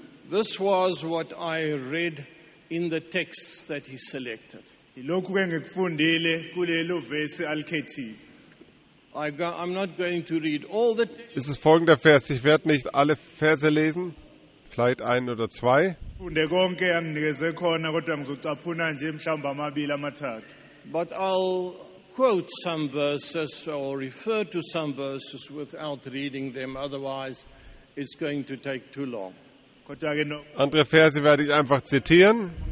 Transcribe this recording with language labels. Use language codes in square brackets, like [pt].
[en] this was what I read in the text that he selected. I'm not going to read all the. [de] Es ist folgender Vers. Ich werde nicht alle Verse lesen, vielleicht ein oder zwei. [en] But I'll quote some verses or refer to some verses without reading them. Otherwise, it's going to take too long. [de] Andere Verse werde ich einfach zitieren.